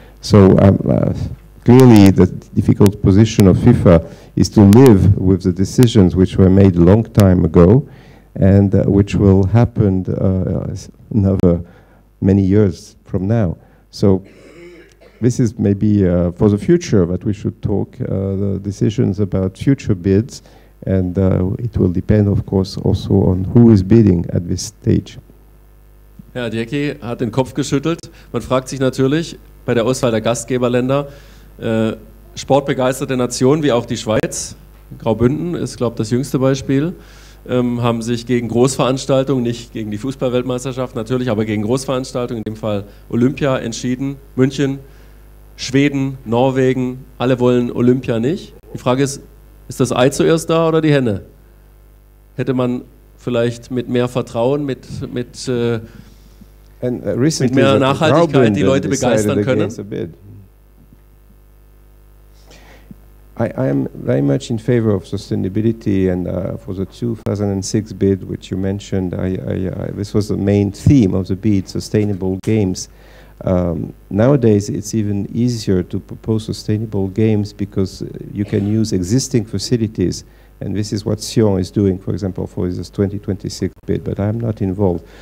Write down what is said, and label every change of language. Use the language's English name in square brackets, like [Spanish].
[English] So clearly the difficult position of FIFA is to live with the decisions which were made a long time ago, and which will happen another many years from now. So this is maybe for the future that we should talk the decisions about future bids. And it will depend, of course, also on who is bidding at this stage. [German] Herr Adeyeki hat den Kopf geschüttelt. Man fragt sich natürlich bei der Auswahl der Gastgeberländer, sportbegeisterte Nationen wie auch die Schweiz, Graubünden ist, glaube ich, das jüngste Beispiel, haben sich gegen Großveranstaltungen, nicht gegen die Fußballweltmeisterschaft natürlich, aber gegen Großveranstaltungen, in dem Fall Olympia, entschieden. München, Schweden, Norwegen, alle wollen Olympia nicht. Die Frage ist, ist das Ei zuerst da oder die Henne? Hätte man vielleicht mit mehr Vertrauen, mit mehr Nachhaltigkeit die Leute begeistern können? [English] I am very much in favor of sustainability, and for the 2006 bid which you mentioned, this was the main theme of the bid, sustainable games. Nowadays it's even easier to propose sustainable games because you can use existing facilities, and this is what Sion is doing, for example, for his 2026 bid, but I'm not involved.